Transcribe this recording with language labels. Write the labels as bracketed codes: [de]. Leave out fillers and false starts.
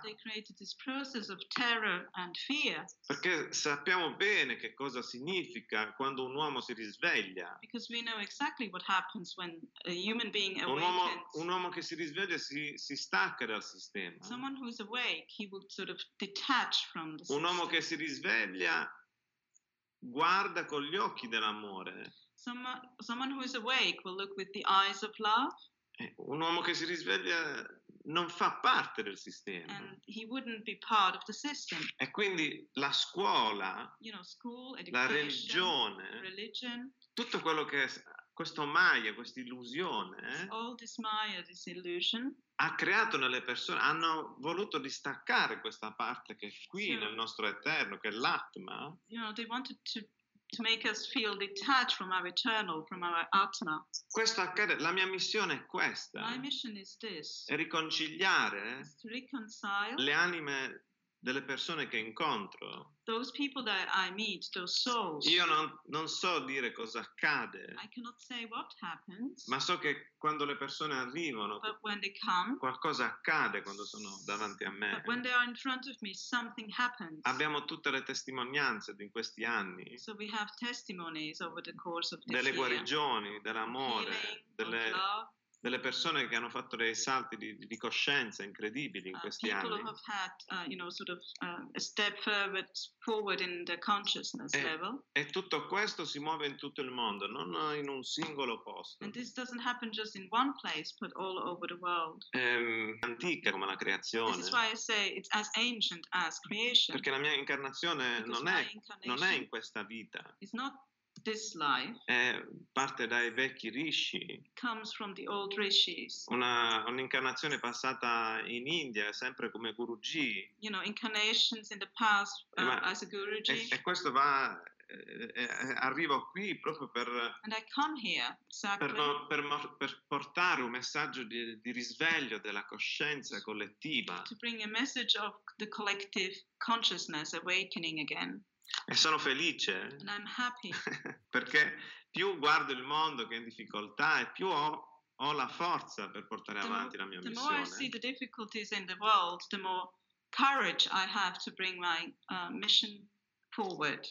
[en] They created this process of terror and fear. [it] Perché sappiamo bene che cosa significa quando un uomo si risveglia. [en] Because we know exactly what happens when a human being awakens. [it] Un uomo che si risveglia si stacca dal sistema. [en] Someone who's awake, he will sort of detach from the system. [it] Un uomo che si risveglia guarda con gli occhi dell'amore. [en] Someone who is awake will look with the eyes of love. [it] Un uomo che si risveglia non fa parte del sistema. [en] And he wouldn't be part of the system. [it] E quindi la scuola, [en] you know, school, [it] la religione, [en] religion, [it] tutto quello che è questo maya, questa illusione, [en] all this maya, this illusion, [it] ha creato nelle persone, hanno voluto distaccare questa parte che è qui so, nel nostro eterno, che è l'atma. [en] You know, they wanted to make us feel detached from our eternal, from our atma. [it] Questo accade, la mia missione è questa. [en] My mission is this. [it] È riconciliare [en] to reconcile [it] le anime delle persone che incontro. [en] Those people that I meet, those souls. [it] Io non so dire cosa accade. [en] I cannot say what happens. [it] Ma so che quando le persone arrivano, [en] but when they come, [it] qualcosa accade quando sono davanti a me. [en] But when they are in front of me, something happens. [it] Abbiamo tutte le testimonianze di questi anni. [en] So we have testimonies over the course of this [it] delle [en] year. [it] Guarigioni, dell'amore, [en] healing, [it] delle [en] love, [it] delle persone che hanno fatto dei salti di coscienza incredibili in questi [en] people [it] anni. [en] People have had, you know, sort of a step forward in the consciousness level. [it] E tutto questo si muove in tutto il mondo, non in un singolo posto. [en] And this doesn't happen just in one place, but all over the world. [it] È antica come la creazione. [en] This is why I say it's as ancient as creation. [it] Perché la mia incarnazione non è in questa vita. [en] It's not this life, [it] parte dai vecchi rishi, [en] comes from the old rishis. [it] Un'incarnazione passata in India, sempre come Guruji. [en] You know, incarnations in the past as a Guruji. [it] E questo va, arrivo qui proprio per. [en] And I come here exactly. [it] per portare un messaggio di risveglio della coscienza collettiva. [en] To bring a message of the collective consciousness awakening again. [it] E sono felice. [en] And I'm happy. [it] Perché più guardo il mondo che è in difficoltà e più ho la forza per portare avanti la mia missione. [en] The more I see the difficulties in the world, the more courage I have to bring my mission forward.